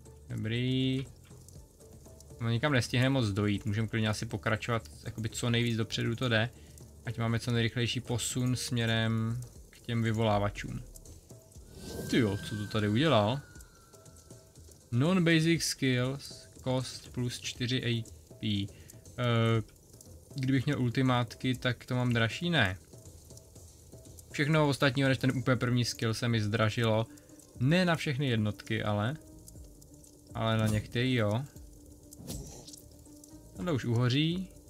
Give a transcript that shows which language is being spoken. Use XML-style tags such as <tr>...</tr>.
<cs>Dobrý. No nikam nestihne moc dojít, můžeme klidně asi pokračovat, jakoby co nejvíc dopředu to jde, ať máme co nejrychlejší posun směrem k těm vyvolávačům. Tyjo, co to tady udělal?</cs> <en>Non-basic skills, cost plus 4 AP.</en> <cs>Kdybych měl ultimátky, tak to mám dražší? Ne. Všechno ostatního než ten úplně první skill se mi zdražilo. Ne na všechny jednotky, ale. Ale na některý jo. Tohle už uhoří.</cs>